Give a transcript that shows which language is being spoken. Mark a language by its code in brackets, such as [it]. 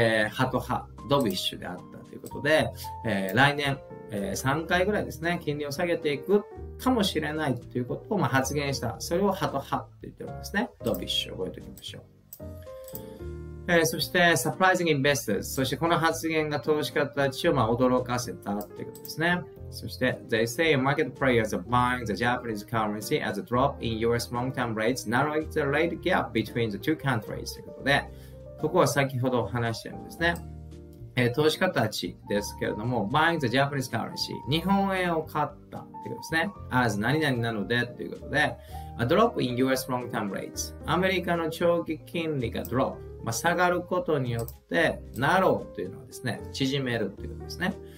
[ja] ハト派、ドビッシュであったということで、来年、3回ぐらいですね、金利を下げていくかもしれないということを発言した。それをハト派って言ってるんですね。ドビッシュ覚えておきましょう。そして、サプライズインベスターズ。そして、この発言が投資家たちを驚かせたということですね。そして、 [en] They say market players are buying the Japanese currency as a drop in US long-term rates, narrowing the rate gap between the two countries. [ja] ということで、ここは先ほどお話ししたんですね。投資家たちですけれども、 [en] buying the Japanese currency、 [ja] 日本円を買ったということですね。 as 何々なのでということで、 [en] a drop in US long-term rates、 [ja] アメリカの長期金利が drop、まあ、下がることによって、narrow というのはですね、縮めるということですね。